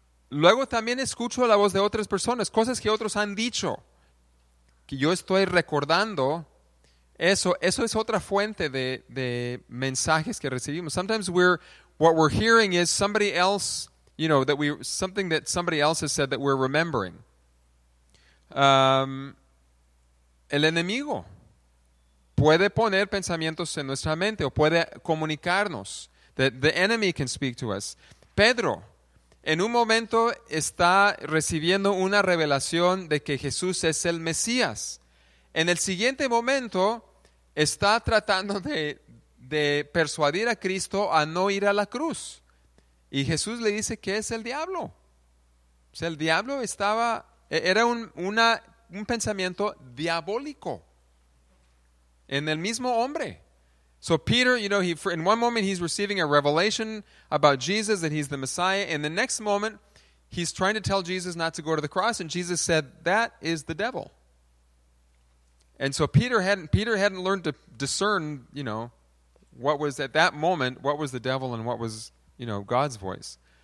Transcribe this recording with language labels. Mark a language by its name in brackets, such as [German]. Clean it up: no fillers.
[Spanish] Luego también escucho la voz de otras personas. Cosas que otros han dicho. Que yo estoy recordando eso. Eso es otra fuente de mensajes que recibimos. [English] Sometimes what we're hearing is somebody else, you know, something that somebody else has said that we're remembering. [Spanish] El enemigo puede poner pensamientos en nuestra mente o puede comunicarnos. [English] The enemy can speak to us. [Spanish] Pedro, en un momento está recibiendo una revelación de que Jesús es el Mesías. En el siguiente momento, está tratando de persuadir a Cristo a no ir a la cruz. Y Jesús le dice que es el diablo. O sea, el diablo estaba, era un pensamiento diabólico en el mismo hombre. [English] So Peter, you know, in one moment he's receiving a revelation about Jesus that he's the Messiah. In the next moment, he's trying to tell Jesus not to go to the cross. And Jesus said, that is the devil. And so Peter hadn't learned to discern, you know, what was at that moment, what was the devil and what was, you know, God's voice.